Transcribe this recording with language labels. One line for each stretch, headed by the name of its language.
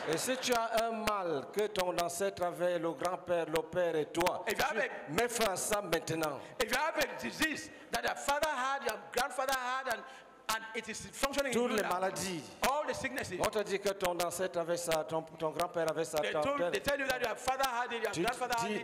French: Et si tu as un mal que ton ancêtre avait, le grand-père, le père et toi, mets fin à ça maintenant.
English: If you have a disease that your father had, your grandfather had, and it is functioning.
French: Toutes les maladies. On te dit que ton ancêtre avait ça, ton grand-père avait ça, ton père.
English: They tell you that your father had it, your grandfather had it.